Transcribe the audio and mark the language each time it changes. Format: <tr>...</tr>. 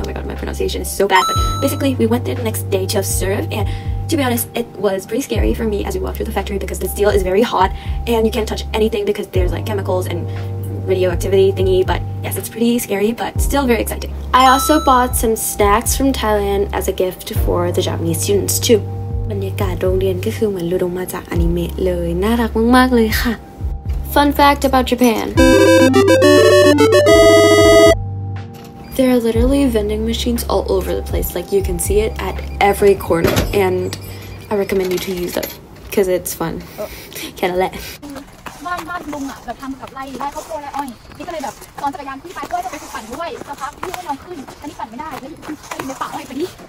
<en>Oh my god, my pronunciation is so bad. But basically, we went there the next day to observe, and to be honest, it was pretty scary for me as we walked through the factory because the steel is very hot, and you can't touch anything because there's like chemicals and radioactivity thingy. But yes, it's pretty scary, but still very exciting. I also bought some snacks from Thailand as a gift for the Japanese students too.</en> <th>บรรยากาศโรงเรียนก็คือเหมือนหลุดออกมาจากอนิเมะเลยน่ารักมากๆเลยค่ะ</th> <en>Fun fact about Japan. There are literally vending machines all over the place. Like you can see it at every corner. And I recommend you to use it because it's fun.</en> <th>แค่นั้นแหละ บ้านลุงอ่ะแบบทำกับไร่ไร่ข้าวโพดไร่อ้อยนี่ก็เลยแบบสอนจักรยานพี่ไปด้วยจะไปปั่นด้วยสักพักพี่ก็ลองขึ้นอันนี้ปั่นไม่ได้แล้วอยู่ในป่าอ้อยไปดิ</th>